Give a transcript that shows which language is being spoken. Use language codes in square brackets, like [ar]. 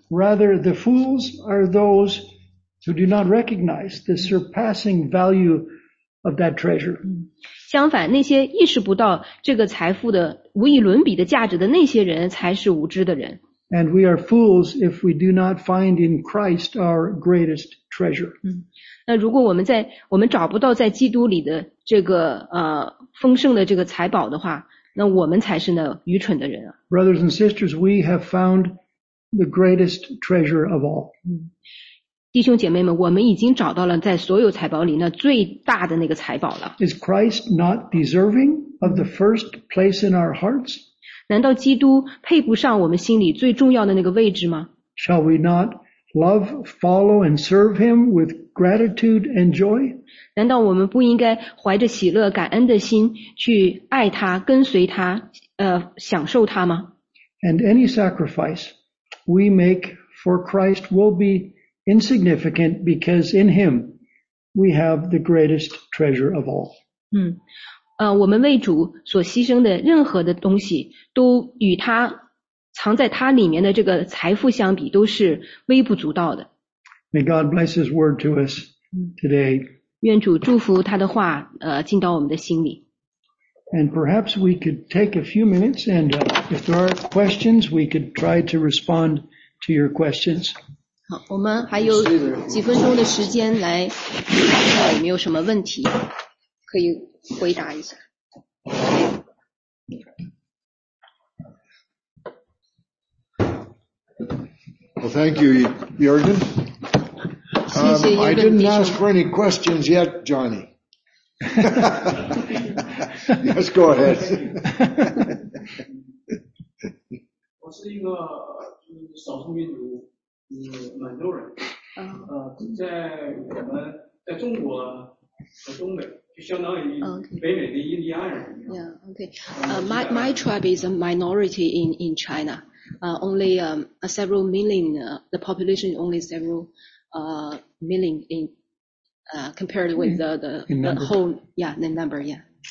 [en] Rather, the fools are those who do not recognize the surpassing value of that treasure. [zh] 相反，那些意识不到这个财富的无与伦比的价值的那些人才是无知的人。 [en] And we are fools if we do not find in Christ our greatest treasure. [zh] 那如果我们找不到在基督里的这个丰盛的这个财宝的话，那我们才是那愚蠢的人啊。 [en] Brothers and sisters, we have found the greatest treasure of all. [zh] 弟兄姐妹们，我们已经找到了在所有财宝里那最大的那个财宝了。 [en] Is Christ not deserving of the first place in our hearts? [zh] 难道基督配不上我们心里最重要的那个位置吗？ [en] Shall we not love, follow, and serve him with gratitude and joy? [zh] 难道我们不应该怀着喜乐感恩的心去爱他，跟随他，享受他吗？ [en] And any sacrifice we make for Christ will be insignificant because in him we have the greatest treasure of all. [zh] 我们为主所牺牲的任何的东西都与他藏在他里面的这个财富相比都是微不足道的。 [en] May God bless his word to us today. [zh] 愿主祝福他的话进到我们的心里。 [en] And perhaps we could take a few minutes and if there are questions, we could try to respond to your questions. [zh] 好，我们还有几分钟的时间来看看有没有什么问题可以回答一下。 [en] Well, thank you, Jurgen. I didn't ask for any questions yet, Johnny. Yes, go ahead. [zh] 我是一个少数民族，满洲人。在我们在中国的东北，就相当于北美的印第安人。 [en] Yeah, okay. My tribe is a minority in China. Only several million, the population only several million in compared with the whole, yeah, the number, yeah.